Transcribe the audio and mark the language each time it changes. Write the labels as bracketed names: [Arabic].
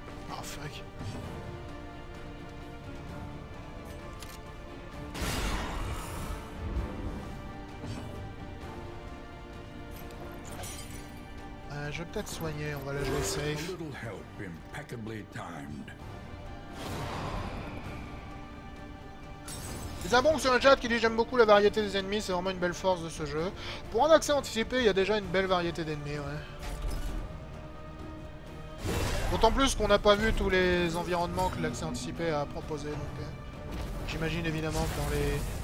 [English] Oh fuck. [French] Je vais peut-être soigner, on va la jouer safe. [English] A little help impeccably timed. [French] C'est un bon sur le chat qui dit j'aime beaucoup la variété des ennemis, c'est vraiment une belle force de ce jeu. Pour un accès anticipé, il y a déjà une belle variété d'ennemis, ouais. D'autant plus qu'on n'a pas vu tous les environnements que l'accès anticipé a proposé, donc j'imagine évidemment que dans les...